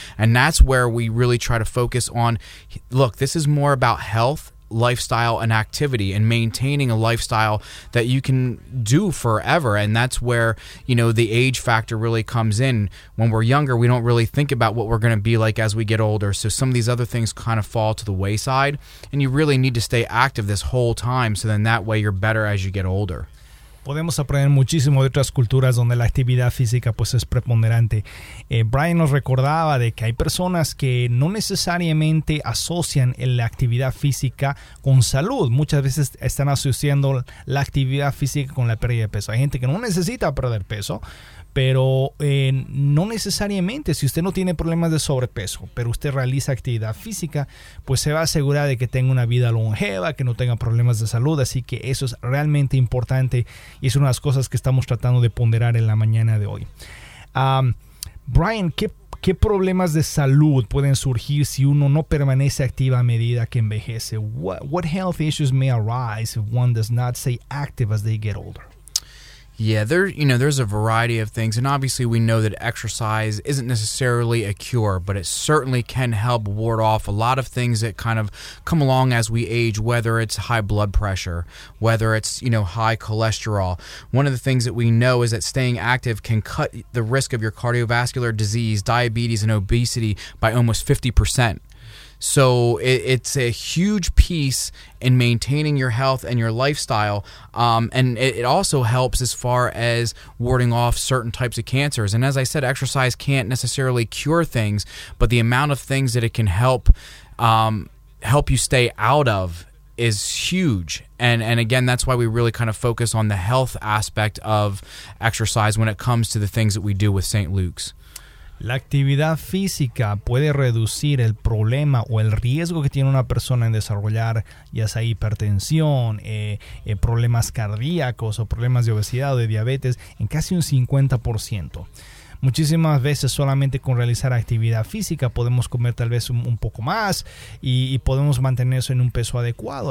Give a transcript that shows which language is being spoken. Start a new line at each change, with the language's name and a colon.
English: And that's where we really try to focus on, look, this is more about health, lifestyle and activity, and maintaining a lifestyle that you can do forever. And that's where, you know, the age factor really comes in. When we're younger, we don't really think about what we're going to be like as we get older, so some of these other things kind of fall to the wayside, and you really need to stay active this whole time, so then that way you're better as you get older.
Spanish: Podemos aprender muchísimo de otras culturas donde la actividad física pues es preponderante. Brian nos recordaba de que hay personas que no necesariamente asocian la actividad física con salud. Muchas veces están asociando la actividad física con la pérdida de peso. Hay gente que no necesita perder peso, pero no necesariamente. Si usted no tiene problemas de sobrepeso, pero usted realiza actividad física, pues se va a asegurar de que tenga una vida longeva, que no tenga problemas de salud. Así que eso es realmente importante y es una de las cosas que estamos tratando de ponderar en la mañana de hoy. Brian, ¿qué problemas de salud pueden surgir si uno no permanece activo a medida que envejece?
English: What health issues may arise if one does not stay active as they get older? Yeah, there's a variety of things, and obviously we know that exercise isn't necessarily a cure, but it certainly can help ward off a lot of things that kind of come along as we age, whether it's high blood pressure, whether it's, you know, high cholesterol. One of the things that we know is that staying active can cut the risk of your cardiovascular disease, diabetes, and obesity by almost 50%. So it's a huge piece in maintaining your health and your lifestyle. And it also helps as far as warding off certain types of cancers. And as I said, exercise can't necessarily cure things, but the amount of things that it can help help you stay out of is huge. And again, that's why we really kind of focus on the health aspect of exercise when it comes to the things that we do with St. Luke's.
Spanish: La actividad física puede reducir el problema o el riesgo que tiene una persona en desarrollar ya sea hipertensión, problemas cardíacos o problemas de obesidad o de diabetes en casi un 50%. Muchísimas veces solamente con realizar actividad física podemos comer tal vez un poco más y podemos mantenerse en un peso adecuado.